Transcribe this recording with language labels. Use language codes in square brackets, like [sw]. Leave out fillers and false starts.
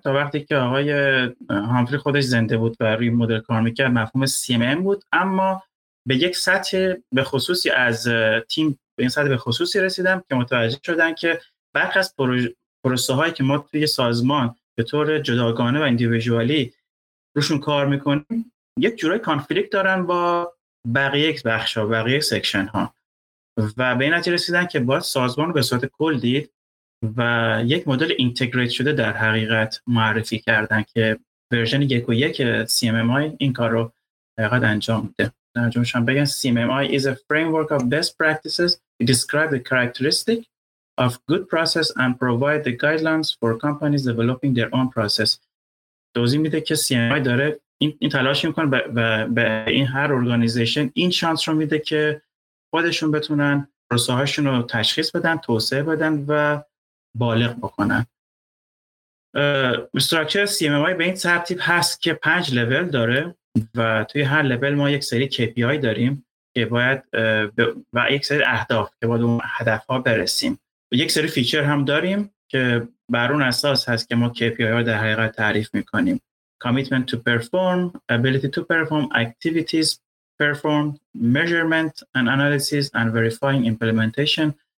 [fa] تا وقتی که آقای همفری خودش زنده بود و روی مدل کار میکرد مفهوم CMM بود، اما به یک سطح به خصوصی از تیم به این سطح به خصوصی رسیدم که متوجه شدن که برخی از پروسه هایی که ما توی سازمان به طور جداگانه و اندیویژوالی روشون کار میکنیم یک جورای کانفلیکت دارن با بقیه بخش ها، بقیه سکشن ها، و به این نتیجه رسیدن که باید سازمان رو به صورت کل دید و یک مدل اینتگریت شده در حقیقت معرفی کردن که ورژن 1.1 CMMI این کار رو حقیقت انجام میده. ترجمه‌ش هم بگن [en] CMMI is a framework of best practices. It describes the characteristic of good process and provide the guidelines for companies developing their own process. [fa] توضیح میده که CMMI داره این تلاش میکنه و به این هر ارگانیزیشن این شانس رو میده که خودشون بتونن پروسه هاشون رو تشخیص بدن، توسعه بدن و بالغ بکنن. استراکچر CMMI به این ترتیب هست که 5 لول داره و توی هر لول ما یک سری KPI داریم که باید و یک سری اهداف که باید اون هدف ها برسیم و یک سری فیچر هم داریم که بر اون اساس هست که ما KPI ها در حقیقت تعریف میکنیم: [en] commitment to perform, ability to perform, activities performed, measurement and analysis and verifying implementation.